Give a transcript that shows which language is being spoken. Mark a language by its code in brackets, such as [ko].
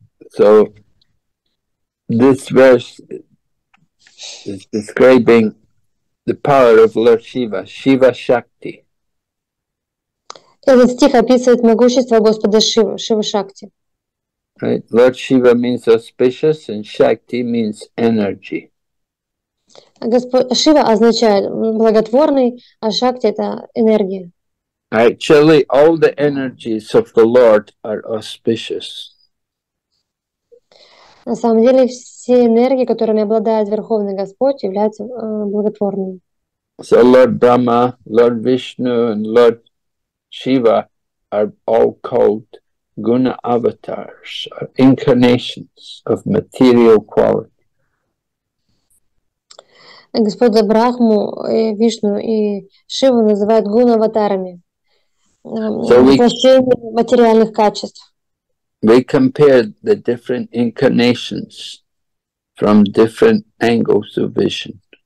[en] So, this verse is describing the power of Lord Shiva, Shiva Shakti. [ru] Этот стих описывает могущество Господа Шивы, Шива Шакти. [en] Right. Lord Shiva means auspicious, and Shakti means energy. [ru] Шива означает благотворный, а Шакти — это энергия. [en] Actually, all the energies of the Lord are auspicious. [ru] На самом деле, все энергии, которыми обладает Верховный Господь, являются благотворными. [en] So Lord Brahma, Lord Vishnu, and Lord Shiva are all called guna avatars, or incarnations of material quality. [ru] Господь Брахму, Вишну и Шиву называют гуна аватарами, воплощение материальных качеств. [en] We compare the different incarnations from different angles of vision.